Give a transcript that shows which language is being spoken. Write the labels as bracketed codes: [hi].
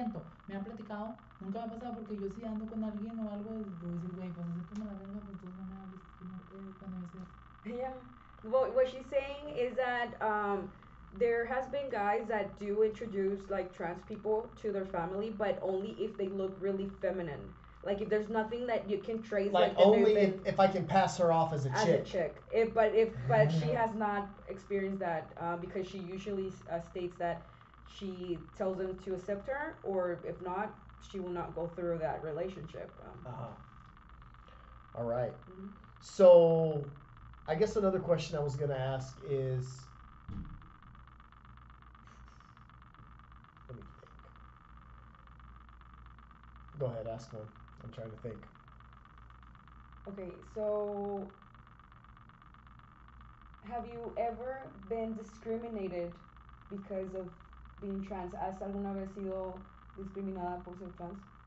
[es] Siento, me han platicado, nunca me ha pasado, porque yo si ando con alguien o algo, voy a decir, güey, pues así como la venga, pues tú no me hables, no te conoces. [en] Yeah, what she's saying is that there has been guys that do introduce like trans people to their family, but only if they look really feminine. Like if there's nothing that you can trace. Like only if I can pass her off as a chick. As a chick. But she has not experienced that because she usually states that she tells them to accept her, or if not, she will not go through that relationship. Uh-huh. All right. Mm-hmm. So I guess another question I was going to ask is, go ahead, ask one. I'm trying to think. Okay, so have you ever been discriminated because of being trans? [es] ¿Has alguna vez sido discriminada por ser trans?